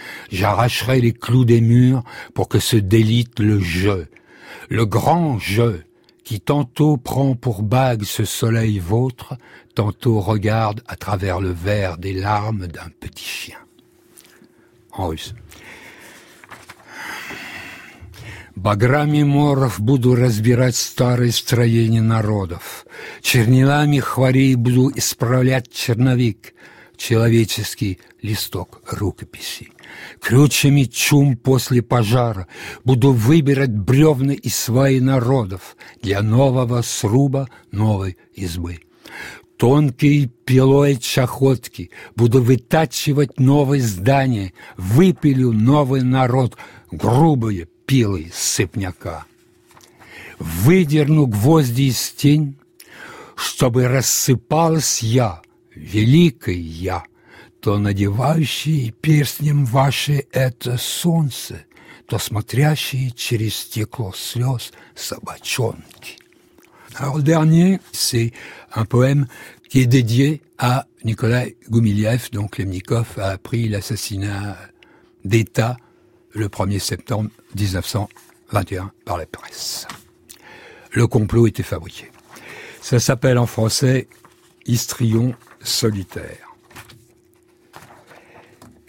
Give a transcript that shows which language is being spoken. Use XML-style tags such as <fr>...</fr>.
<fr>J'arracherai les clous des murs pour que se délite le je. Le grand je qui tantôt prend pour bague ce soleil vôtre, tantôt regarde à travers le verre des larmes d'un petit chien. En russe.</fr> <ru>Баграми моров буду разбирать старые строения народов. Чернилами хворей буду исправлять черновик, человеческий листок рукописи. Крючами чум после пожара буду выбирать бревна и сваи народов для нового сруба новой избы. Тонкой пилой чахотки буду вытачивать новое здание, выпилю новый народ, грубые пилы из сыпняка. Выдерну гвозди из тень, чтобы рассыпалась я, великой я, то надевающий перстнем ваше это солнце, то смотрящие через стекло слез собачонки.</ru> <fr>Alors, le dernier, c'est un poème qui est dédié à Nikolaï Goumiliev. Donc, Lemnikov a appris l'assassinat d'État le 1er septembre 1921 par la presse. Le complot était fabriqué. Ça s'appelle en français « Histrion solitaire ».</fr>